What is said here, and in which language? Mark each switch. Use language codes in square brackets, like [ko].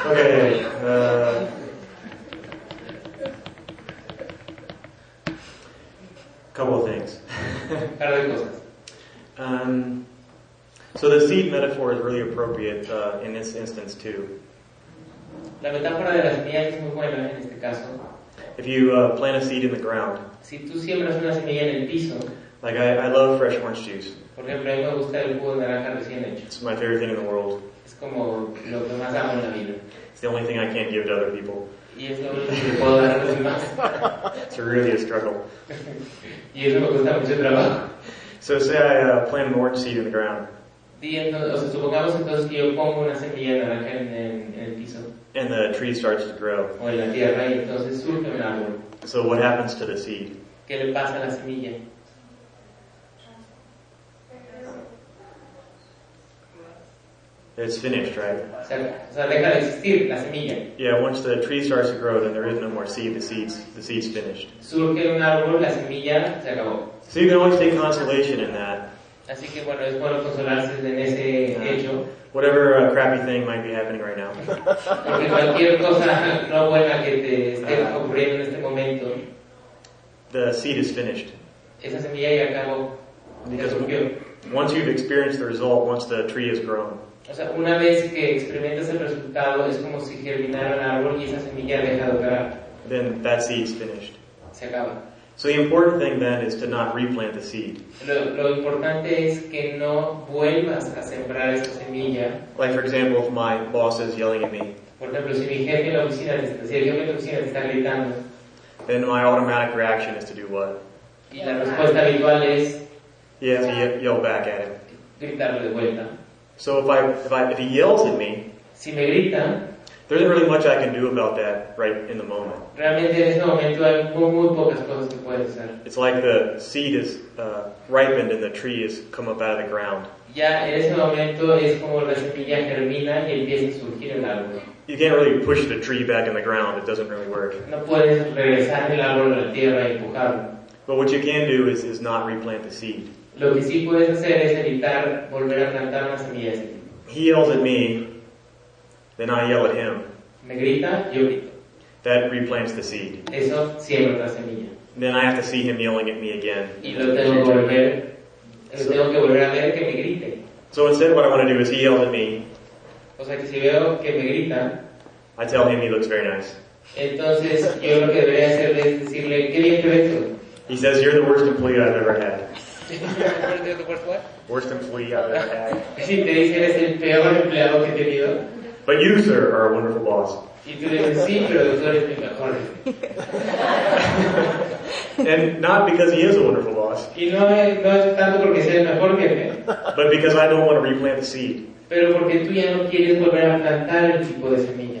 [en] Okay. Couple of things. So the seed metaphor is really appropriate in this instance too. [es] La metáfora de la semilla es muy buena en este caso. [en] If you plant a seed in the ground. [es] Si tú siembras una semilla en el piso. [en] Like I love fresh orange juice. [es] Por ejemplo, a mí me gusta el jugo de naranja recién hecho. [en] It's my favorite thing in the world. [es] Es como lo que más amo en la vida. [en] It's the only thing I can't give to other people. It's really a struggle. [es] Y eso me cuesta mucho trabajo. [en] So say I plant an orange seed in the ground. [es] supongamos entonces que yo pongo una semilla de naranja en el piso. [en] And the tree starts to grow. [es] O en la tierra, y entonces surge un árbol. [en] So what happens to the seed? [es] ¿Qué le pasa a la semilla? [en] It's finished, right? [es] O sea, deja de existir la semilla. [en] Yeah, once the tree starts to grow, then there is no more seed. The seed's finished. [es] Surge un árbol, la semilla se acabó. [en] So you can always take consolation in that. [es] Así que bueno, es bueno consolarse en ese hecho. [en] Whatever crappy thing might be happening right now. [es] Porque cualquier cosa no buena que te esté ocurriendo en este momento. [en] The seed is finished. [es] Esa semilla ya acabó. [en] Because once you've experienced the result, once the tree has grown. [es] O sea, una vez que experimentas el resultado, es como si germinara un árbol y esa semilla deja de operar. [en] Then that seed's finished. [es] Se acaba. [en] So the important thing then is to not replant the seed. [es] Lo importante es que no vuelvas a sembrar esa semilla. [en] Like for example, if my boss is yelling at me. [es] Por ejemplo, si mi jefe en la oficina, te está gritando. [en] Then my automatic reaction is to do what? [es] Y la respuesta habitual es. [en] Yeah, to yell back at him. [es] Gritarle de vuelta. [en] So if he yells at me, [es] si me grita, [en] there isn't really much I can do about that right in the moment. [es] Realmente en ese momento hay muy pocas cosas que puedes hacer. [en] It's like the seed is ripened and the tree has come up out of the ground. [es] Ya en ese momento es como la semilla germina y empieza a surgir el árbol. [en] You can't really push the tree back in the ground. It doesn't really work. [es] No puedes regresar el árbol a la tierra y empujarlo. [en] But what you can do is not replant the seed. [es] Lo que sí puedes hacer es evitar volver a plantar una semilla. [en] He yells at me, then I yell at him. [es] Me grita, yo grito. [en] That replants the seed. [es] Eso siembra la semilla. [en] Then I have to see him yelling at me again. [es] Y lo tengo que volver a ver que me grite. [en] So instead what I want to do is he yells at me. [es] O sea que si veo que me grita. [en] I tell him he looks very nice. [es] Entonces yo lo que debería hacer es decirle, qué bien te ves. [en] He says, you're the worst employee I've ever had. Worst employee I've ever had. [es] Si te dice eres el peor empleado que he tenido. [en] But you, sir, are a wonderful boss. [es] Y tú dices sí, pero tú eres mi mejor. [en] And not because he is a wonderful boss. [es] Y no es tanto porque sea el mejor jefe. [en] But because I don't want to replant the seed. [es] Pero porque tú ya no quieres volver a plantar el tipo de semilla.